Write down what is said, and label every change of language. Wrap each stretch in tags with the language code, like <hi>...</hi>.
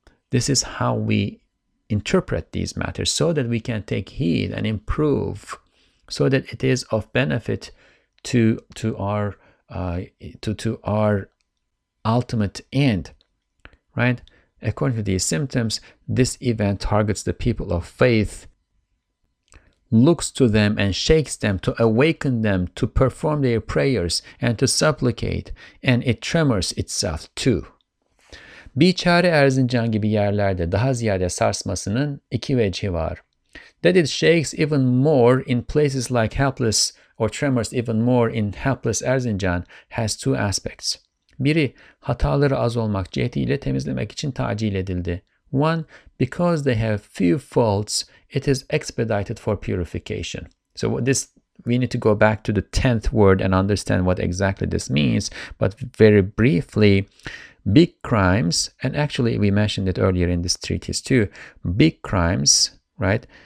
<en>This is how we interpret these matters, so that we can take heed and improve, so that it is of benefit to our ultimate end, right? According to these symptoms, this event targets the people of faith, looks to them and shakes them to awaken them to perform their prayers and to supplicate, and it tremors itself too.</en> <tr>Biçare Erzincan gibi yerlerde daha ziyade sarsmasının iki vecihi var.</tr> <en>That it shakes even more in places like helpless or tremors even more in helpless Erzincan has two aspects.</en> <tr>Biri, hataları az olmak cihetiyle temizlemek için tacil edildi.</tr> <en>One, because they have few faults, it is expedited for purification. So this, we need to go back to the 10th word and understand what exactly this means. But very briefly, big crimes, and actually we mentioned it earlier in this treatise too, big crimes, right?</en>